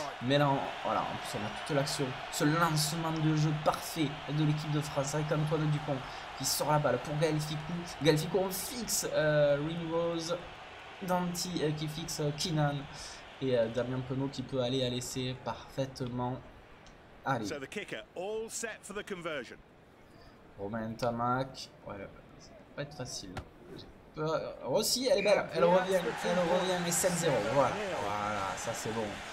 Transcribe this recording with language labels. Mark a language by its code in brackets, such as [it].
[fr] Mais là, en plus, on a toute l'action. Ce lancement de jeu parfait de l'équipe de France avec Antoine Dupont qui sort la balle pour Gaël Ficou. Gaël Ficou, on fixe Ringrose. Danti qui fixe Keenan et Damien Penaud qui peut aller à l'essai parfaitement. Allez. [en] So the kicker, all set for the conversion. [fr] Romain Ntamack. Ouais, ça va pas être facile. Rossi, elle est belle. Elle revient. Mais 7-0. Voilà, ça c'est bon.